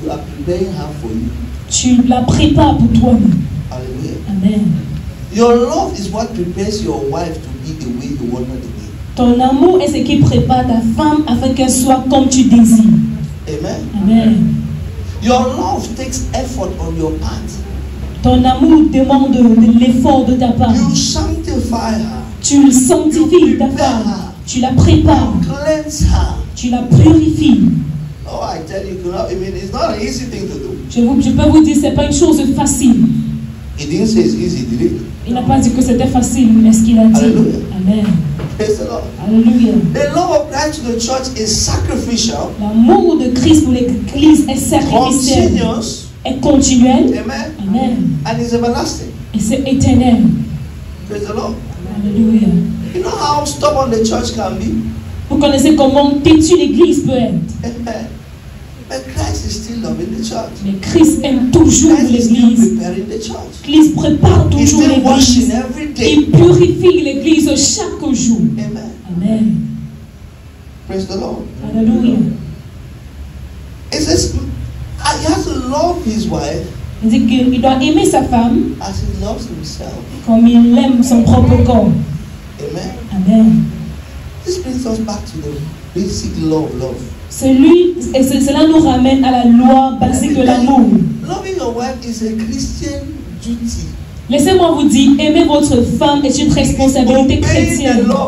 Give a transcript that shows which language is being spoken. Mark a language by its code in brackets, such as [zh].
[en] you are preparing her for you. [fr] Tu la prépares pour toi. Alleluia. Amen. [en] Your love is what prepares your wife to be the way you want her to be. [fr] Ton amour est ce qui prépare ta femme afin qu'elle soit comme tu désires. Amen. Amen. [en] Your love takes effort on your part. [fr] Ton amour demande de l'effort de ta part. [en] You sanctify her. [fr] Tu sanctifies ta femme. [en] Her. [fr] Tu la prépares. [en] cleanse her. [fr] Tu la purifies. [en] Oh, I tell you, I mean, it's not an easy thing to do. [fr] Je peux vous dire, c'est pas une chose facile. [en] He didn't say it's easy, did he? [fr] Il n'a pas dit que c'était facile, mais ce qu'il a dit. Alleluia. Amen. [en] The love of Christ to the church is sacrificial. [fr] L'amour de Christ pour l'Église est sacrificiel. [en] Continuous. [fr] Est continuel. Amen. Amen. [en] And is everlasting. [fr] Et c'est éternel. [en] Praise the Lord. Alleluia. You know how stubborn the church can be. [fr] Vous connaissez comment têtu l'Église peut être. [en] But Christ is still loving the church. [fr] Mais Christ aime toujours [en] Christ [fr] l'Église. [en] Is still preparing the church. [fr] Christ prépare toujours [en] He's still [fr] l'Église. [en] Washing every day. [fr] Il purifie l'Église chaque jour. Amen. Amen. [en] Praise the Lord. Hallelujah. It says he has to love his wife. [fr] Il dit qu'il doit aimer sa femme. [en] As he loves himself. [fr] Comme il aime son propre corps. Amen. Amen. [en] This brings us back to the basic law of love. [fr] C'est lui, et cela nous ramène à la loi basique de l'amour. [en] Loving your wife is a Christian duty. [fr] Laissez-moi vous dire, aimer votre femme est une responsabilité chrétienne.